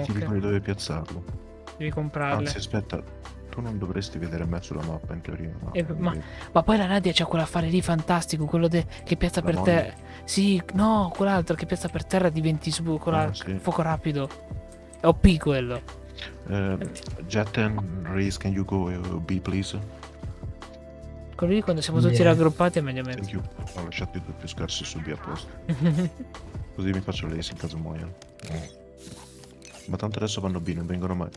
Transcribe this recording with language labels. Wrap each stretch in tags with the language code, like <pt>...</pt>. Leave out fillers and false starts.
<it>E ti dico dove piazzarlo. Devi comprarle. Anzi, aspetta. Tu non dovresti vedere me sulla mappa, in teoria. No, ma poi la Nadia c'ha quell'affare lì fantastico. Quello che piazza la per terra. Sì, no, quell'altro che piazza per terra diventi su fuoco rapido. È OP quello.</it> <en>Jetten, Reese, can you go B, please?</en> <it>Quello lì quando siamo tutti raggruppati è meglio me.</it> <en>Thank you.</en> <it>Ho lasciato i due più scarsi su B apposta. Così mi faccio l'ace in caso muoia. Ma tanto adesso vanno B, non vengono mai.</it>